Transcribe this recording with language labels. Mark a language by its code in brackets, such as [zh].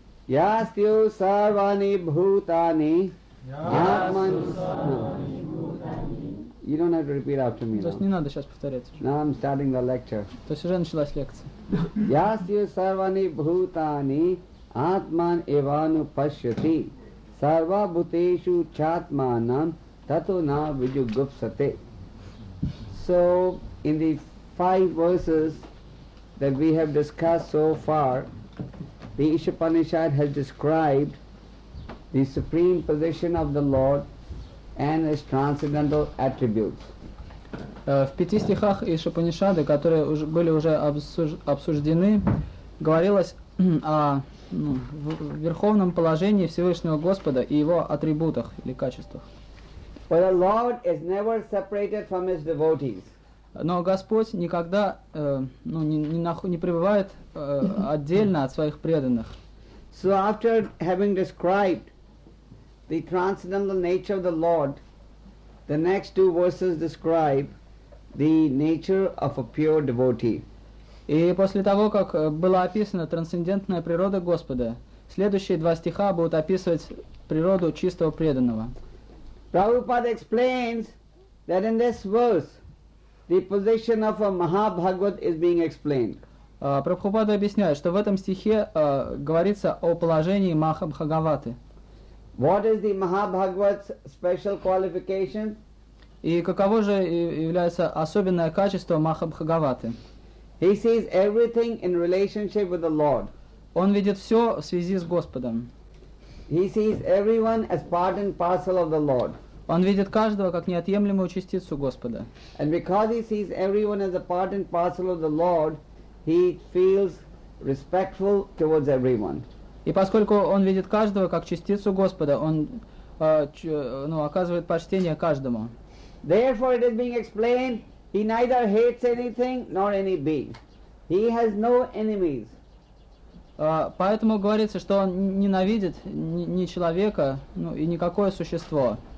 [sa] Ястью Сарвани Бхутани. [en] You don't have to repeat after me. [ru] Just не надо сейчас повторять. [en] Now I'm starting the lecture. [ru] То есть уже началась лекция. [sa] Ясью сарвани бхутани атман эвану пашьяти сарва бутешу чатманам тату на виджу гупсате. [en] So in the five verses that we have discussed so far, the Ishapanishad has described the supreme position of the Lord and his transcendental attributes. [ru] В пяти стихах из Шупанишады, которые были уже обсуждены, говорилось о верховном положении Всевышнего Господа и его атрибутах или качествах. [en] But the Lord is never separated from his devotees. [ru] Но Господь никогда не пребывает отдельно от своих преданных. [en] So after having described the transcendental nature of the Lord, the next two verses describe the nature of a pure devotee. [ru] И после того, как была описана трансцендентная природа Господа, следующие два стиха будут описывать природу чистого преданного. [en] Prabhupada explains that in this verse the position of a Mahabhagavat is being explained. [ru] Прабхупада объясняет, что в этом стихе говорится о положении Махабхагаваты. [en] What is the Mahabhagavat's special qualification? [ru] И каково же является особенное качество Махабхагаваты? [en] He sees everything in relationship with the Lord. [ru] Он видит все в связи с Господом. [en] He sees everyone as part and parcel of the Lord. [ru] Он видит каждого как неотъемлемую частицу Господа. [en] And because he sees everyone as a part and parcel of the Lord, he feels respectful towards everyone. [ru] И поскольку он видит каждого как частицу Господа, он оказывает почтение каждому. [en] Therefore it is being explained, he neither hates anything nor any being. He has no enemies. [ru] Поэтому говорится, что он ненавидит ни человека, и никакое существо.